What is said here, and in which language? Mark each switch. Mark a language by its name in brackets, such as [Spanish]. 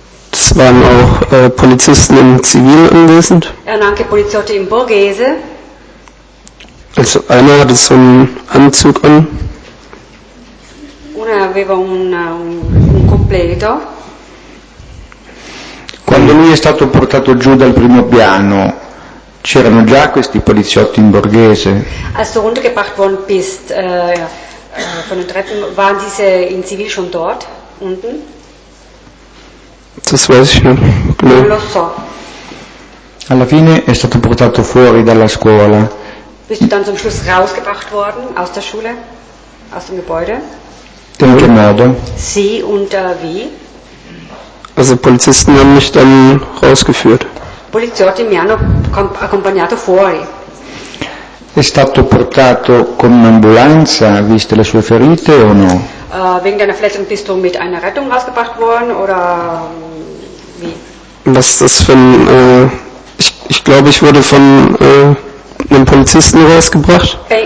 [German] Es waren auch Polizisten im Zivil anwesend. [Italian] Erano anche poliziotti in borghese. [German] Also einer hatte so einen Anzug an. [Italian] Una aveva un completo. Quando lui è stato portato giù dal primo piano, c'erano già questi poliziotti in borghese? [German] Als du runtergebracht worden bist von den Treppen, waren diese in Zivil schon dort unten? Das weiß ich nicht. [Italian] Non lo so. Alla fine è stato portato fuori dalla scuola. [German] Bist du dann zum Schluss rausgebracht worden aus der Schule, aus dem Gebäude? In welchem [Italian] Modo? Sì, [German] und wie? Also Polizisten haben mich dann rausgeführt. [Italian] Poliziotti mi hanno accompagnato fuori. È stato portato con un'ambulanza, viste le sue ferite o no? [German] Wegen deiner Verletzung bist du mit einer Rettung rausgebracht worden oder wie? Was ist das für ein? Ich glaube, ich wurde von einem Polizisten rausgebracht.